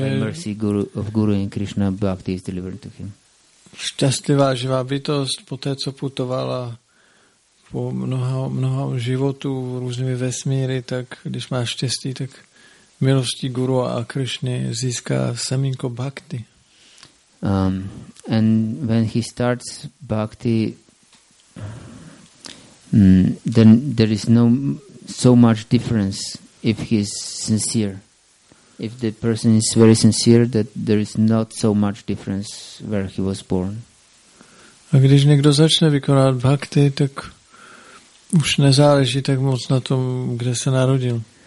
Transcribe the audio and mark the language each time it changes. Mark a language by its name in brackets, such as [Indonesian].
[English] mercy of Guru and Krishna, Bhakti is delivered to him. [Czech] Šťastlivá živá bytost, poté co putovala po mnoha životů různými vesmíry, tak když má štěstí, tak milostí Guru a Krishny získá semínko Bhakti. [English] And when he starts Bhakti, then there is no so much difference if he is sincere. If the person is very sincere, that there is not so much difference where he was born. [Czech] A když někdo začne vykonávat bhakti, tak už nezáleží tak moc na tom, kde se narodil.